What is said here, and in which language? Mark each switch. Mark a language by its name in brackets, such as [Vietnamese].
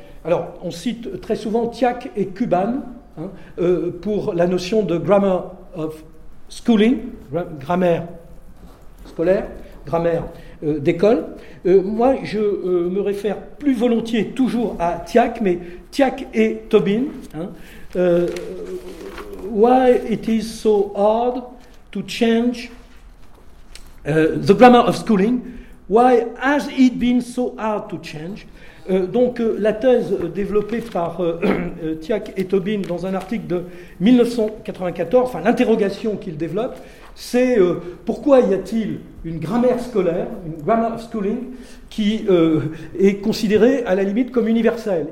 [French] Alors, on cite très souvent Tiak et Kuban pour la notion de grammar of schooling, grammaire scolaire, grammaire d'école. Moi, je me réfère plus volontiers toujours à Tiak, mais Tiak et Tobin. [English] Hein, why it is so hard to change the grammar of schooling? Why has it been so hard to change? [French] Donc, la thèse développée par Tiak et Tobin dans un article de 1994, enfin, l'interrogation qu'ils développent, c'est pourquoi y a-t-il une grammaire scolaire, une grammar of schooling, qui est considérée à la limite comme universelle.